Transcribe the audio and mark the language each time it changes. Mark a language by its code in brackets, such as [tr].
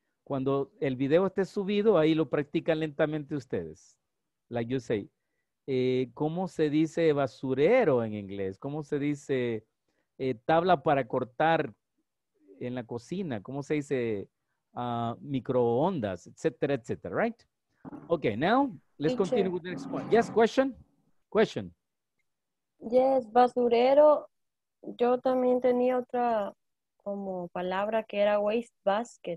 [es] Cuando el video esté subido, ahí lo practican lentamente ustedes. [en] Like you say, [es] ¿cómo se dice basurero en inglés? ¿Cómo se dice tabla para cortar en la cocina? ¿Cómo se dice microondas, etcétera, etcétera, right? [en] Okay, now, let's continue with the next one. Yes, question? Question. Yes, basurero. [es] Yo también tenía otra como palabra que era [en] waste basket.